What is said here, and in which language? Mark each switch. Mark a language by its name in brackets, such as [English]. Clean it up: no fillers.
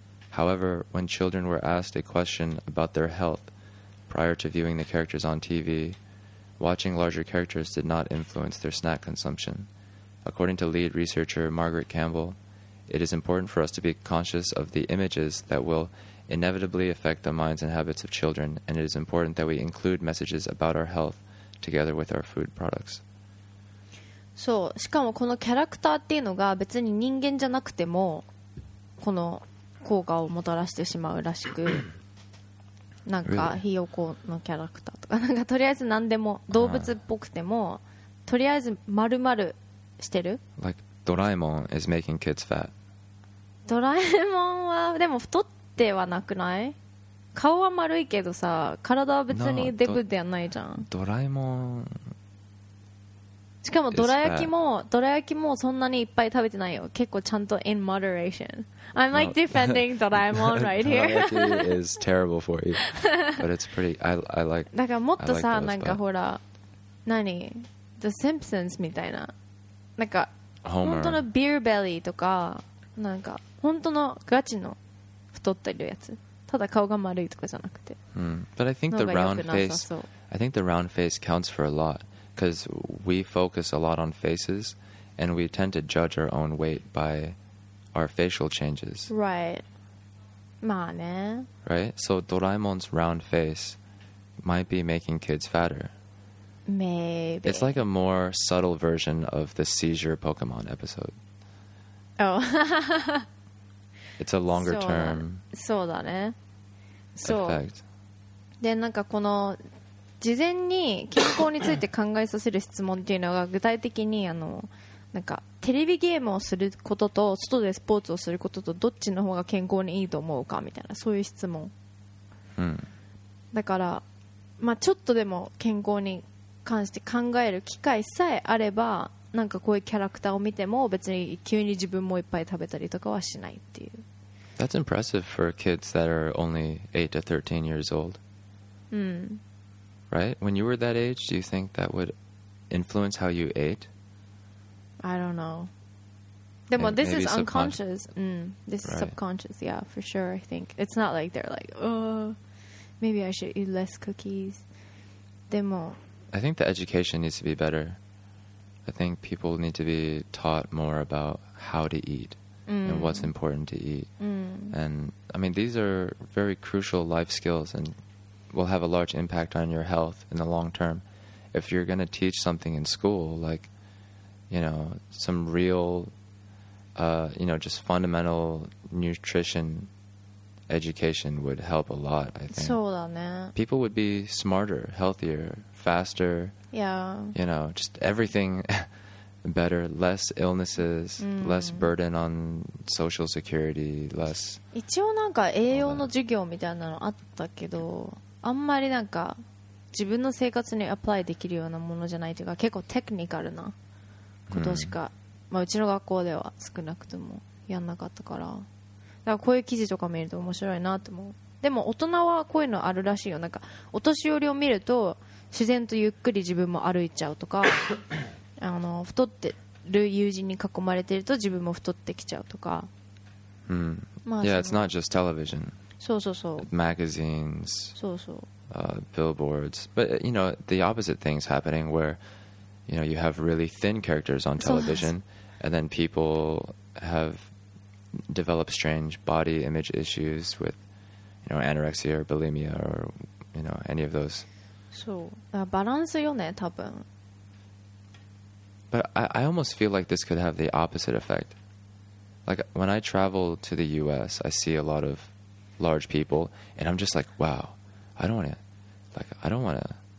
[English] However, when children were asked a question about their health prior to viewing the characters on TV, watching larger characters did not influence their snack consumption. According to lead researcher Margaret Campbell, it is important for us to be conscious of the images that will inevitably affect the minds and habits of children, and it is important that we include messages about our health together with our food products. [Japanese] そう、しかもこのキャラクターっていうのが別に人間じゃなくてもこの効果をもたらしてしまうらしく、なんかひよこのキャラクターとか、なんかとりあえず何でも動物っぽくてもとりあえず丸々してる。 [English] Like ドラえもん is making kids fat。 [Japanese] ドラえもんはでも太ってはなくない？顔は丸いけどさ体は別にデブではないじゃん。ドラえもんしかもドラ焼きもそんなにいっぱい食べてないよ。結構ちゃんと [English] in moderation. I'm like defending Doraemon right here. ドラ焼き is terrible for you. But it's pretty, I like [Japanese] だからもっとさ、なんかほら、何 The Simpsons みたいな。なんか、 [English] Homer. [Japanese] 本当の [English] beer belly [Japanese] とか、なんか本当のガチの太ってるやつ。ただ顔が丸いとかじゃなくて。 [English] But I think the round face counts for a lot. Because we focus a lot on faces, and we tend to judge our own weight by our facial changes. [Japanese] Right. まあね。 [English] Right? So Doraemon's round face might be making kids fatter. Maybe. It's like a more subtle version of the seizure Pokemon episode. Oh. It's a longer term. [Japanese] そうだね。そう。Effect. で、なんかこの事前に健康について考えさせる質問っていうのが具体的にあのなんかテレビゲームをすることと外でスポーツをすることとどっちの方が健康にいいと思うかみたいなそういう質問、うん、だから、まあ、ちょっとでも健康に関して考える機会さえあればなんかこういうキャラクターを見ても別に急に自分もいっぱい食べたりとかはしないっていう [English] That's impressive for kids that are only 8 to 13 years old、うん、 Right? When you were that age, do you think that would influence how you ate I don't know. でも this is unconscious. Mm, this is right. subconscious, yeah, for sure, I think. It's not like they're like, oh, maybe I should eat less cookies. でも I think the education needs to be better. I think people need to be taught more about how to eat、mm. and what's important to eat.、 Mm. And I mean, these are very crucial life skills and will have a large impact on your health in the long term. If you're going to teach something in school, likeYou know, some real,、you know, just fundamental nutrition education would help a lot, I think. [Japanese] そうだね。 [English] People would be smarter, healthier, faster. Yeah. You know, just everything better, less illnesses,、mm. less burden on social security, less... [Japanese] 一応なんか栄養の授業みたいなのあったけど、あんまりなんか自分の生活にアプライできるようなものじゃないというか、結構テクニカルな。ことしか、うんまあ、うちの学校では少なくともやんなかったからだからこういう記事とか見ると面白いなと思うでも大人はこういうのあるらしいよなんかお年寄りを見ると自然とゆっくり自分も歩いちゃうとかあの太ってる友人に囲まれてると自分も太ってきちゃうとか、 [English] うんまあ、Yeah, it's not just television [Japanese] そうそうそう [English] Magazines [Japanese] そうそう、 [English] Billboards But you know, the opposite thing's happening whereYou know, you have really thin characters on television, and then people have developed strange body image issues with, you know, anorexia or bulimia or, you know, any of those. [Japanese] そう、バランスよね、多分。 [English] But I almost feel like this could have the opposite effect. Like, when I travel to the U.S., I see a lot of large people, and I'm just like, wow, I don't want to, like, I don't want to...